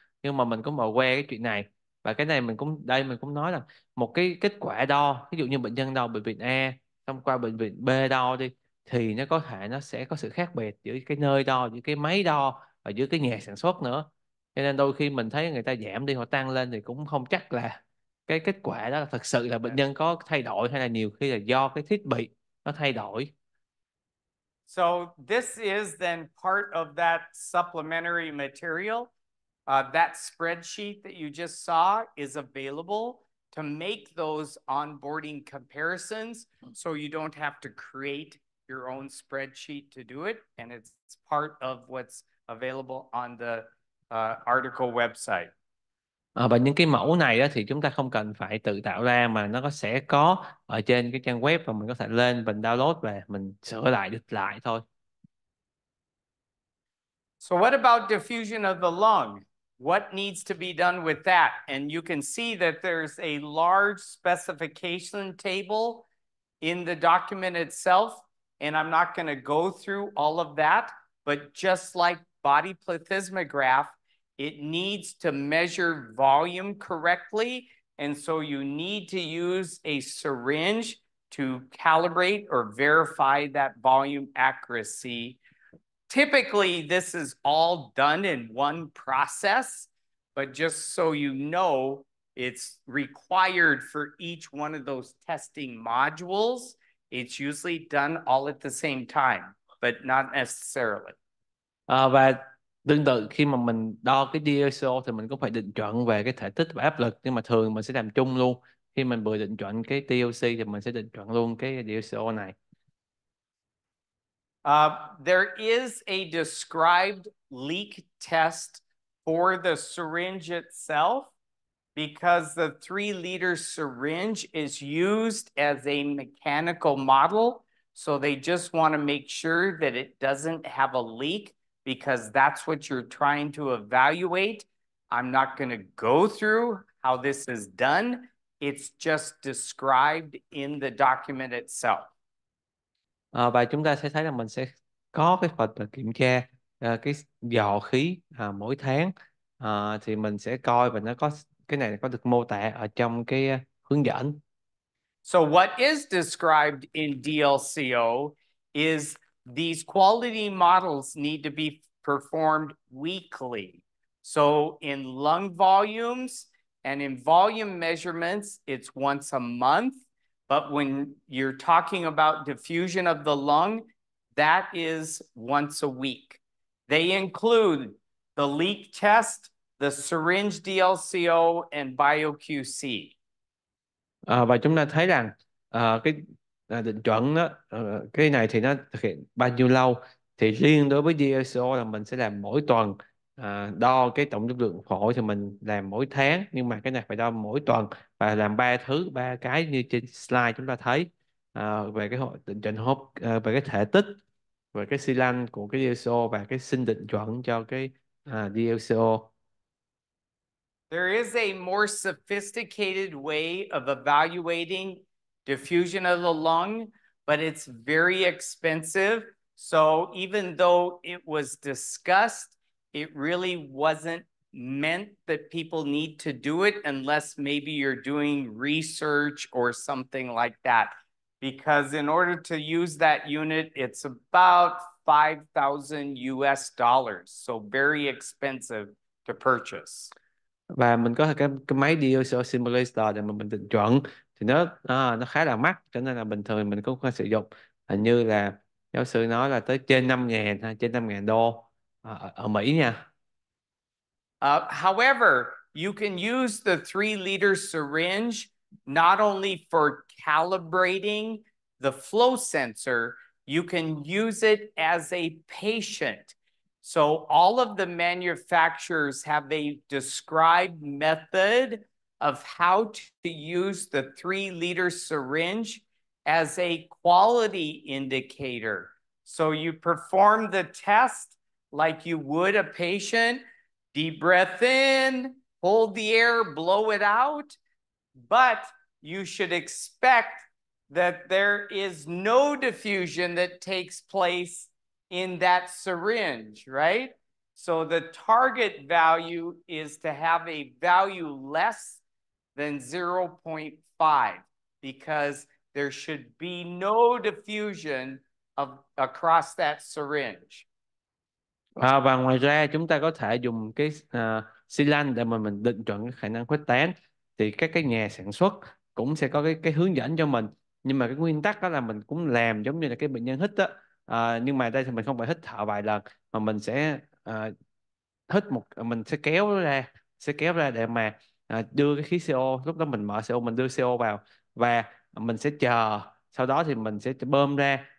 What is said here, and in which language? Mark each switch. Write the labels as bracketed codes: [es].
[vi] Nhưng mà mình cũng mà quen cái chuyện này. Và cái này mình cũng, đây mình cũng nói là một cái kết quả đo, ví dụ như bệnh nhân đo bệnh viện A xong qua bệnh viện B đo đi, thì nó có thể nó sẽ có sự khác biệt giữa cái nơi đo, giữa cái máy đo và giữa cái nhà sản xuất nữa. Cho nên đôi khi mình thấy người ta giảm đi hoặc tăng lên thì cũng không chắc là cái kết quả đó là thật sự là bệnh nhân có thay đổi, hay là nhiều khi là do cái thiết bị nó thay đổi. [en] So this is then part of that supplementary material. That spreadsheet that you just saw is available to make those onboarding comparisons, so you don't have to create your own spreadsheet to do it. And it's part of what's available on the article website. [vi] Và những cái mẫu này đó thì chúng ta không cần phải tự tạo ra, mà nó sẽ có ở trên cái trang web, và mình có thể lên mình download về mình sửa lại được lại thôi. [en] So what about diffusion of the lung? What needs to be done with that? And you can see that there's a large specification table in the document itself, and I'm not going to go through all of that, but just like body plethysmograph, it needs to measure volume correctly, and so you need to use a syringe to calibrate or verify that volume accuracy. Typically, this is all done in one process, but just so you know, it's required for each one of those testing modules. It's usually done all at the same time, but not necessarily. [vi] Tương tự khi mà mình đo cái DLCO thì mình cũng phải định chuẩn về cái thể tích và áp lực, nhưng mà thường mình sẽ làm chung luôn. Khi mình vừa định chuẩn cái TLC thì mình sẽ định chuẩn luôn cái DLCO này. [en] There is a described leak test for the syringe itself, because the 3-liter syringe is used as a mechanical model, so they just want to make sure that it doesn't have a leak, because that's what you're trying to evaluate. I'm not going to go through how this is done. It's just described in the document itself. [vi] Và chúng ta sẽ thấy là mình sẽ có cái phần là kiểm tra cái dò khí mỗi tháng, thì mình sẽ coi và nó có cái này có được mô tả ở trong cái hướng dẫn. [en] So what is described in DLCO is these quality models need to be performed weekly. So in lung volumes and in volume measurements, it's once a month. But when you're talking about diffusion of the lung, that is once a week. They include the leak test, the syringe DLCO, and BioQC. [vi] Và chúng ta thấy rằng cái định chuẩn đó, cái này thì nó thực hiện bao nhiêu lâu, thì riêng đối với DLCO là mình sẽ làm mỗi tuần, đo cái tổng dung lượng phổi thì mình làm mỗi tháng, nhưng mà cái này phải đo mỗi tuần và làm ba thứ, ba cái như trên slide chúng ta thấy, về cái định chuẩn hô hấp, về cái thể tích, về cái xi lanh của cái DLCO và cái sinh định chuẩn cho cái DLCO. [en] There is a more sophisticated way of evaluating diffusion of the lung, but it's very expensive. So even though it was discussed, it really wasn't meant that people need to do it unless maybe you're doing research or something like that. Because in order to use that unit, it's about $5,000, so very expensive to purchase. [vi] Và mình có cái máy DLCO simulator để mình định chuẩn thì nó khá là mắc, cho nên là bình thường mình cũng không sử dụng. Hình như là giáo sư nói là tới trên 5.000 đô ở Mỹ nha. [en] However, you can use the 3-liter syringe not only for calibrating the flow sensor, you can use it as a patient. So all of the manufacturers have a described method of how to use the 3-liter syringe as a quality indicator. So you perform the test like you would a patient, deep breath in, hold the air, blow it out, but you should expect that there is no diffusion that takes place in that syringe, right? So the target value is to have a value less than 0.5, because there should be no diffusion of across that syringe. [vi] Và ngoài ra chúng ta có thể dùng cái xi lanh để mà mình định chuẩn khả năng khuếch tán, thì các nhà sản xuất cũng sẽ có cái hướng dẫn cho mình, nhưng mà cái nguyên tắc đó là mình cũng làm giống như là cái bệnh nhân hít đó. Nhưng mà đây thì mình không phải hít thở vài lần, mà mình sẽ hít một mình sẽ kéo ra, để mà đưa cái khí CO, lúc đó mình mở CO, mình đưa CO vào và mình sẽ chờ, sau đó thì mình sẽ bơm ra.